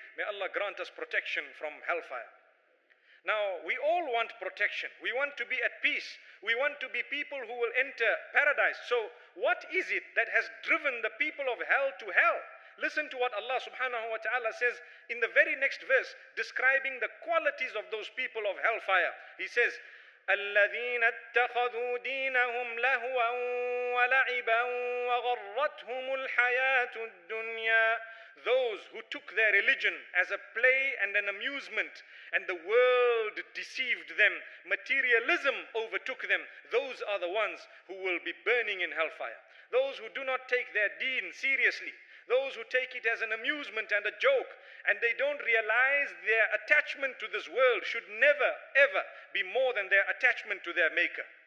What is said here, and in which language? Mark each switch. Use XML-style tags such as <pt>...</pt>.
<en>May Allah grant us protection from hellfire. Now, we all want protection. We want to be at peace. We want to be people who will enter paradise. So, what is it that has driven the people of hell to hell? Listen to what Allah subhanahu wa ta'ala says in the very next verse, describing the qualities of those people of hellfire. He says,</en> <ar>الَّذِينَ اتَّخَذُوا دِينَهُمْ لَهُوًا وَلَعِبًا وَغَرَّتْهُمُ الْحَيَاةُ الدُّنْيَا.</ar> <en>Those who took their religion as a play and an amusement, and the world deceived them, materialism overtook them, those are the ones who will be burning in hellfire. Those who do not take their deen seriously, those who take it as an amusement and a joke, and they don't realize their attachment to this world should never, ever be more than their attachment to their maker.</en>